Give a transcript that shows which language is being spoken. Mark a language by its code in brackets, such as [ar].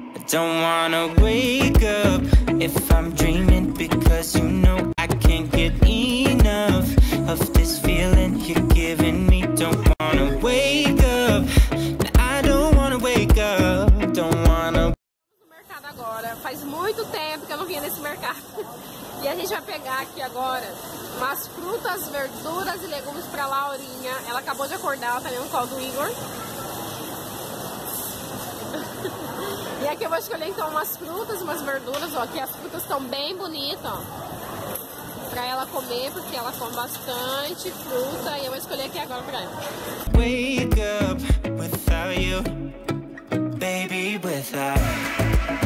[en] Don't wanna wake up if I'm dreaming, because you know I can't get enough of this feeling you're giving me. Don't wanna wake up, I don't wanna wake up, don't wanna. [pt] Vamos no mercado agora. Faz muito tempo que eu não vinha nesse mercado. E a gente vai pegar aqui agora umas frutas, verduras e legumes pra Laurinha. Ela acabou de acordar, ela tá ali no colo do Igor. E aqui eu vou escolher então umas frutas, umas verduras, ó. Aqui as frutas estão bem bonitas, ó. Pra ela comer, porque ela come bastante fruta. E eu vou escolher aqui agora pra ela. [en] Wake up without you, baby, without you.